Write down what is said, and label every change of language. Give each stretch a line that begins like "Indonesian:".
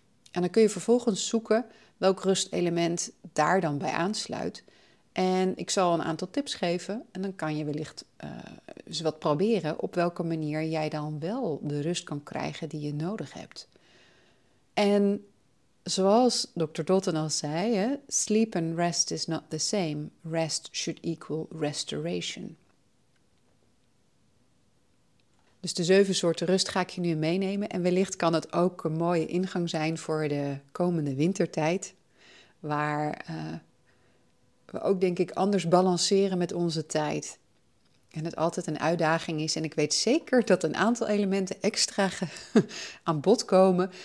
Dutch: En dan kun je vervolgens zoeken welk rustelement daar dan bij aansluit. En ik zal een aantal tips geven en dan kan je wellicht eens wat proberen op welke manier jij dan wel de rust kan krijgen die je nodig hebt. En zoals Dr.
English: Dalton
Dutch: al zei,
English: sleep and rest is not the same. Rest should equal restoration.
Dutch: Dus de 7 soorten rust ga ik je nu meenemen. En wellicht kan het ook een mooie ingang zijn voor de komende wintertijd. Waar we ook denk ik anders balanceren met onze tijd. En het altijd een uitdaging is. En ik weet zeker dat een aantal elementen extra aan bod komen.